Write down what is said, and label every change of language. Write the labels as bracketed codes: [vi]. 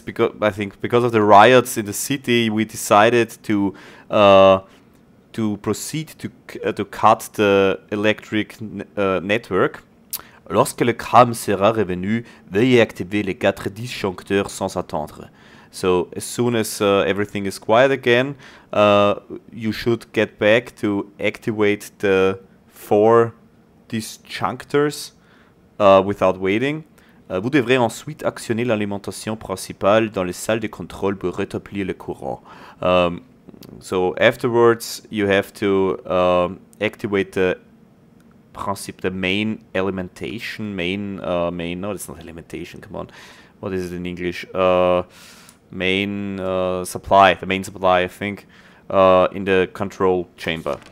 [en] Because I think because of the riots in the city, we decided to proceed to cut the electric network. [fr] Lorsque le calme sera revenu, veuillez activer les quatre disjoncteurs sans attendre. [en] So as soon as everything is quiet again, you should get back to activate the four disjunctors without waiting. [fr] Vous devrez ensuite actionner l'alimentation principale dans les salles de contrôle pour rétablir le courant. [en] So afterwards, you have to activate the principle, the main alimentation, main. No, it's not alimentation. Come on, what is it in English? Supply, the main supply, I think, in the control chamber.